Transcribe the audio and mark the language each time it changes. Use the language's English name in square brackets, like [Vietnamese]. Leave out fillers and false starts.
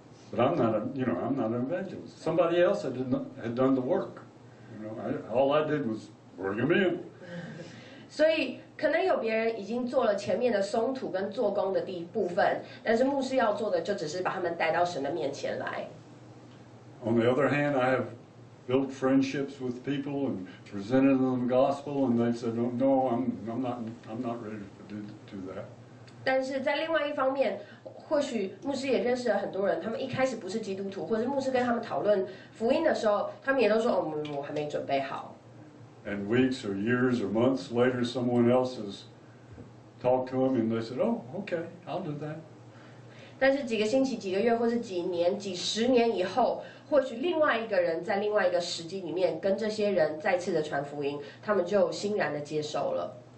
[English] But I'm not, I'm not an evangelist. Somebody else had done the work. All I did was bring them in. [Chinese] 所以可能有别人已经做了前面的松土跟做工的部分，但是牧师要做的就只是把他们带到神的面前来。 [English] On the other hand, I have. Built friendships with people and presented them the gospel, and they said, "No, no, I'm not ready to do that." [Chinese] 但是在另外一方面，或许牧师也认识了很多人，他们一开始不是基督徒，或是牧师跟他们讨论福音的时候，他们也都说，哦，我还没准备好。 [English] And weeks or years or months later, someone else has talked to them, and they said, "Oh, okay, I'll do that." [Chinese] 但是几个星期、几个月，或是几年、几十年以后，或许另外一个人在另外一个时机里面跟这些人再次的传福音，他们就欣然的接受了。